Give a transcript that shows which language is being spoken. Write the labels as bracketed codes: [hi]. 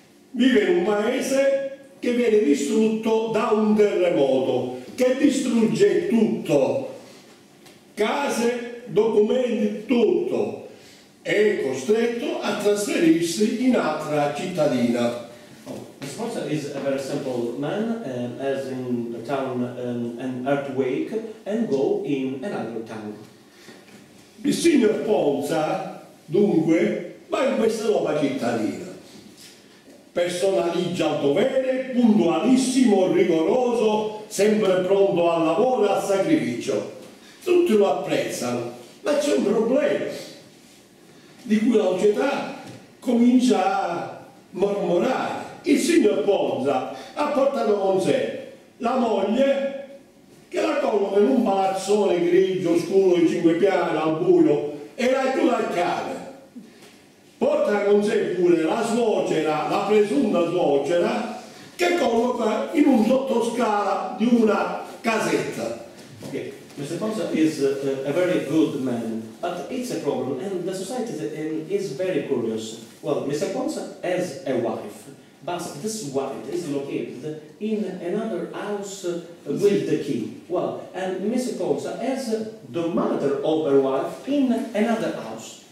[it] Vive in un paese che viene distrutto da un terremoto che distrugge tutto, case, documenti, tutto. È costretto a trasferirsi in altra cittadina. [en] The sponsor is a very simple man, as in the town an earthquake, and go in another town. [it] Il signor Ponza, dunque, va in questa nuova cittadina. Personalizza il dovere, puntualissimo, rigoroso, sempre pronto al lavoro e al sacrificio. Tutti lo apprezzano, ma c'è un problema di cui la società comincia a mormorare. Il signor Ponza ha portato con sé la moglie, che la colloca in un palazzone grigio, scuro, di 5 piani, al buio, e la chiude a chiave. Porta con sé pure la suocera, la presunta suocera, che colloca in un sottoscala di una casetta. [en] Okay. Mr. Ponza is a very good man, but it's a problem, and the society is very curious. Well, Mr. Ponza has a wife. But this wife is located in another house with the key. Well, and Mrs. Ponza has the mother of her wife in another house.